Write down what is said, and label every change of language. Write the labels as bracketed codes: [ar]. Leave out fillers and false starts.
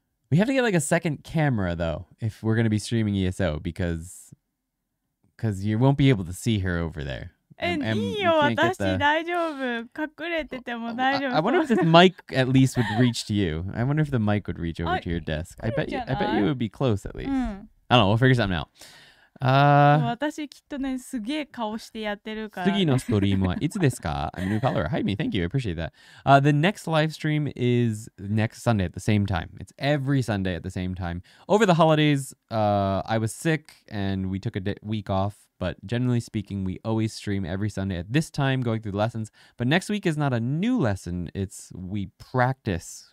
[en] We have to get like a second camera though, if we're going to be streaming ESO, because you won't be able to see her over there. I wonder if this mic at least would reach to you. I wonder if the mic would reach over to your desk. I bet you it would be close at least. I don't know, we'll figure something out. [ja] 私きっとね、すげえ顔してやってるから。次のストリームはいつですか? [en] I'm a new follower. Hi, me. Thank you. I appreciate that. The next live stream is next Sunday at the same time. It's every Sunday at the same time. Over the holidays, I was sick and we took a week off. But generally speaking, we always stream every Sunday at this time going through the lessons. But next week is not a new lesson. It's we practice.